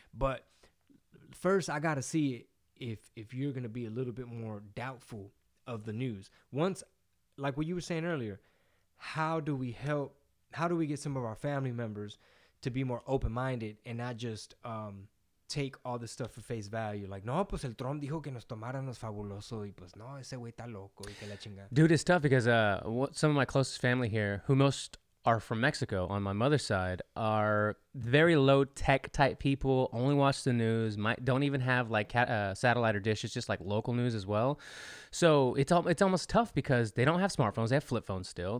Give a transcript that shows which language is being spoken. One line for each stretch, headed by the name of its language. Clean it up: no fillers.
English: But first, I got to see if you're going to be a little bit more doubtful of the news. Once, like what you were saying earlier, how do we get some of our family members to be more open-minded and not just take all this stuff for face value.
Spanish: Like, no, pues el Trump dijo que nos tomaran los fabuloso y pues no, ese güey está loco y que la chinga.
English: Dude, it's tough because some of my closest family here, who most are from Mexico on my mother's side, are very low-tech type people, only watch the news, don't even have like satellite or dish. It's just like local news as well. So it's almost tough because they don't have smartphones. They have flip phones still.